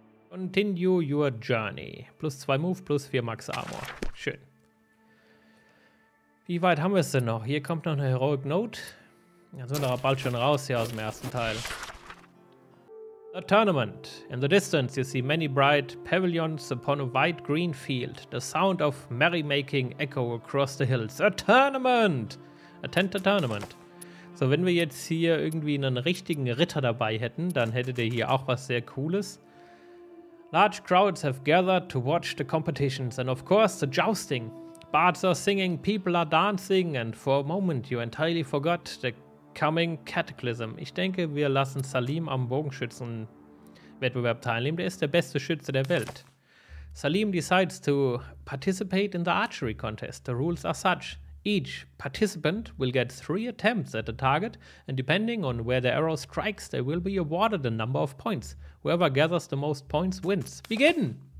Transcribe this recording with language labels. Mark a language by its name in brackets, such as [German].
[English] Continue your journey. Plus 2 Move, plus 4 Max Armor. Schön. [German] Wie weit haben wir es denn noch? Hier kommt noch eine Heroic Note. Dann sind wir doch bald schon raus hier aus dem ersten Teil. [English] The tournament. In the distance you see many bright pavilions upon a wide green field. The sound of merrymaking echo across the hills. A tournament! Attend the tournament. [German] So, wenn wir jetzt hier irgendwie einen richtigen Ritter dabei hätten, dann hättet ihr hier auch was sehr Cooles. [English] Large crowds have gathered to watch the competitions and of course the jousting. Bards are singing, people are dancing and for a moment you entirely forgot the coming cataclysm. [German] Ich denke, wir lassen Salim am Bogenschützen-Wettbewerb teilnehmen. Der ist der beste Schütze der Welt. [English] Salim decides to participate in the archery contest. The rules are such. Each participant will get 3 attempts at the target and depending on where the arrow strikes, they will be awarded a number of points. Whoever gathers the most points wins. Begin!